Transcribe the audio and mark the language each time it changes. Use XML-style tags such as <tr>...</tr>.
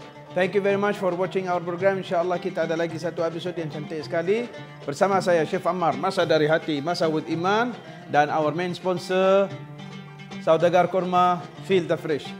<en>Thank you very much for watching our program.</en> <ms>InsyaAllah kita ada lagi satu episod yang cantik sekali. Bersama saya, Chef Ammar. Masa dari hati, masa</ms> <en>with</en> <ms>iman. Dan</ms> <en>our main sponsor, Saudagar Kurma, feel the fresh.</en>